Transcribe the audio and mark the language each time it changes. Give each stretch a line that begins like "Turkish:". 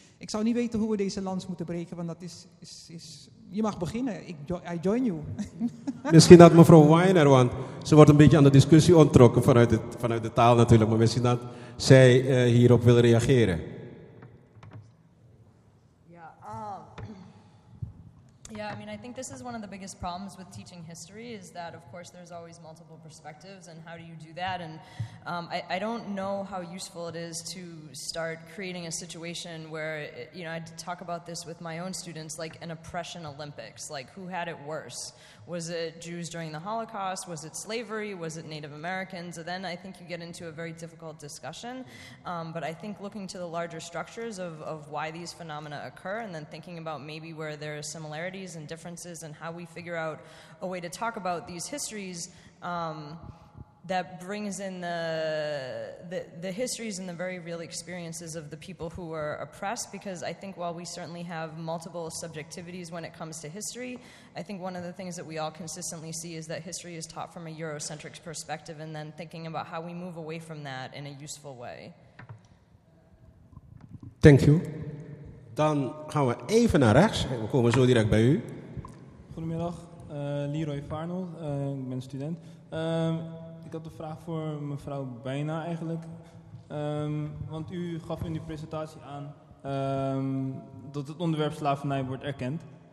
Dutch: Ik zou niet weten hoe we deze lans moeten breken, want dat is je mag beginnen.
English: I join you.
Dutch: Misschien dat mevrouw Weiner, want ze wordt een beetje aan de discussie onttrokken vanuit de taal natuurlijk. Maar misschien dat zij hierop wil reageren.
English: Yeah, I mean, I think this is one of the biggest problems with teaching history is that, of course, there's always multiple perspectives, and how do you do that? And I don't know how useful it is to start creating a situation where, you know, I talk about this with my own students, like an oppression Olympics, like who had it worse? Was it Jews during the Holocaust? Was it slavery? Was it Native Americans? And then I think you get into a very difficult discussion. But I think looking to the larger structures of why these phenomena occur and then thinking about maybe where there are similarities and differences and how we figure out a way to talk about these histories that brings in the histories and the very real experiences of the people who were oppressed, because I think while we certainly have multiple subjectivities when it comes to history, I think one of the things that we all consistently see is that history is taught from a Eurocentric perspective and then thinking about how we move away from that in a useful way. Thank you.
Dutch: Dan gaan we even naar rechts. We komen zo direct bij u. Goedemiddag, Leroy Farnel, ik ben student. Ik had een vraag voor mevrouw Bijna eigenlijk. Want u gaf in uw presentatie aan dat het onderwerp slavernij wordt erkend.